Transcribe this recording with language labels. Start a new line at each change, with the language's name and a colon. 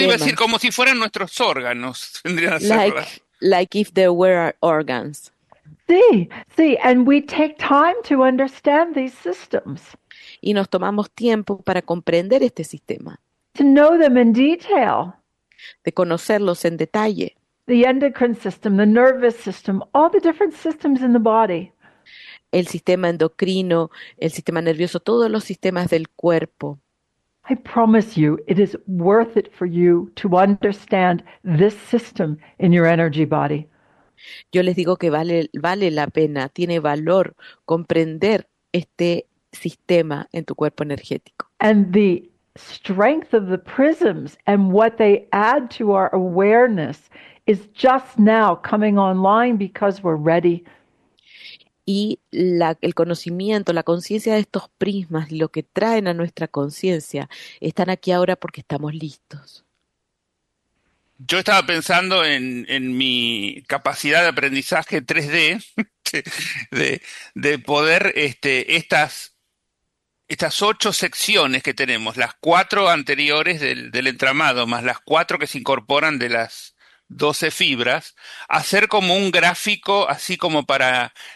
Spanish: Yo iba a decir como si fueran nuestros órganos, tendrían que ser,
English: like if there were our organs. See, and we take time to understand these systems.
Spanish: Y nos tomamos tiempo para comprender este sistema.
English: To know them in detail.
Spanish: De conocerlos en detalle.
English: The endocrine system, the nervous system, all the different systems in the body.
Spanish: El sistema endocrino, el sistema nervioso, todos los sistemas del cuerpo.
English: I promise you, it is worth it for you to understand this system in your energy body.
Spanish: Yo les digo que vale la pena, tiene valor comprender este sistema en tu cuerpo energético.
English: And the strength of the prisms and what they add to our awareness is just now coming online because we're ready.
Spanish: Y el conocimiento, la conciencia de estos prismas, lo que traen a nuestra conciencia, están aquí ahora porque estamos listos. Yo estaba pensando en mi capacidad de aprendizaje 3D, de poder estas ocho secciones que tenemos, las cuatro anteriores del entramado, más las cuatro que se incorporan de las 12 fibras, hacer como un gráfico, así como para